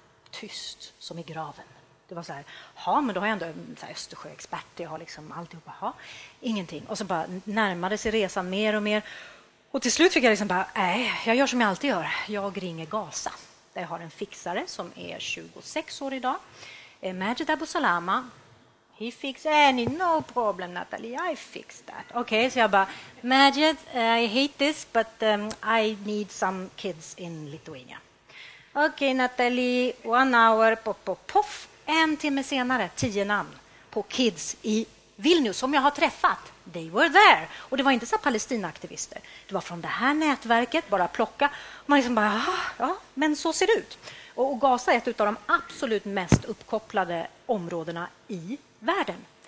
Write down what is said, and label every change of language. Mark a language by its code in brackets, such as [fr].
[sv] Tyst, som i graven. Det var så här, ja, men då har jag ändå en Östersjöexpert. Jag har liksom alltihop, ja, ingenting. Och så bara närmade sig resan mer och mer. Och till slut fick jag liksom bara, jag gör som jag alltid gör. Jag ringer Gaza. Där jag har en fixare som är 26 år idag. Majid Abu Salama. [en] He fix any, no problem, Natalie, I fix that. Okay, [sv] så jag bara, [en] Majid, I hate this, but I need some kids in Lithuania. Okay, Natalie, 1 hour, poff. [sv] En timme senare, 10 namn på kids i Vilnius som jag har träffat. [en] They were there. [sv] Och det var inte så palestinaktivister. Det var från det här nätverket, bara plocka. Man liksom bara, ja, men så ser det ut. Och Gaza är ett av de absolut mest uppkopplade områdena i världen.